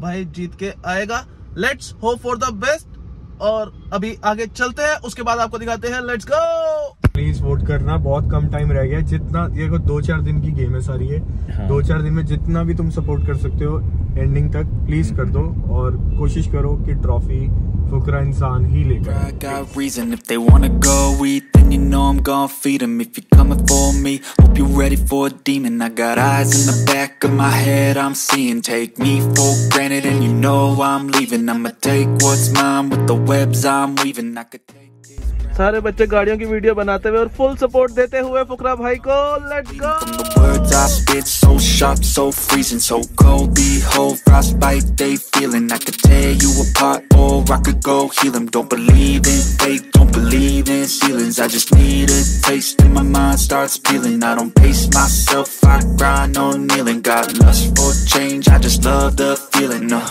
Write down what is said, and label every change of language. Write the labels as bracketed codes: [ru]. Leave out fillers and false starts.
[hi] भाई जीत के आएगा, [en] Let's hope for the best. [hi] और अभी आगे चलते हैं, उसके बाद आपको दिखाते हैं, [en] Let's go. [hi] प्लीज वोट करना, बहुत कम टाइम रह गया। जितना ये को दो चार दिन की गेम है सारी, है दो चार दिन में जितना भी तुम सपोर्ट कर सकते हो एंडिंग तक प्लीज कर दो, और कोशिश करो कि ट्रॉफी फुकरा इंसान ही लेकर। [en] You know I'm gon' feed 'em if you're coming for me. Hope you're ready for a demon. I got eyes in the back of my head, I'm seeing. Take me for granted and you know I'm leaving. I'ma take what's mine with the webs I'm weaving. I could take this. [hi] सारे बच्चे गाड़ियों की video बनाते हुए और full support देते हुए फुकरा भाई को, [en] Let's go. Words I spit so sharp, so freezing, so cold. Behold, frostbite they feeling. I could tear you apart or I could go heal 'em. Don't believe in faith. Believe in ceilings, I just need a taste and my mind starts peeling. I don't pace myself, I grind on kneeling. Got lust for change, I just love the feeling.